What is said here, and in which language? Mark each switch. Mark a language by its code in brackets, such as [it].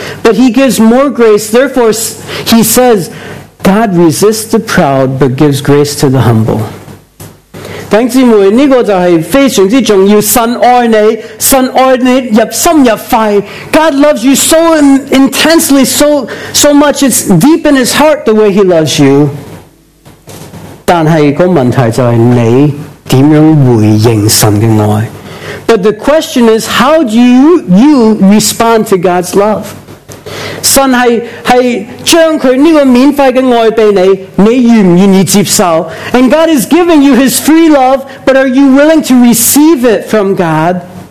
[en] But he gives more grace, therefore he says, God resists the proud but gives grace to the humble. [zh] 弟兄姊妹，这个就是非常之重要。神爱你，神爱你入心入肺。 [en] God loves you so intensely, so much. It's deep in his heart the way he loves you. [zh] 但是个问题就是你怎样回应神的爱。 [en] But the question is, how do you respond to God's love? [zh] 神是将他这个免费的爱给你，你愿不愿意接受？ [en] And God is giving you his free love, but are you willing to receive it from God?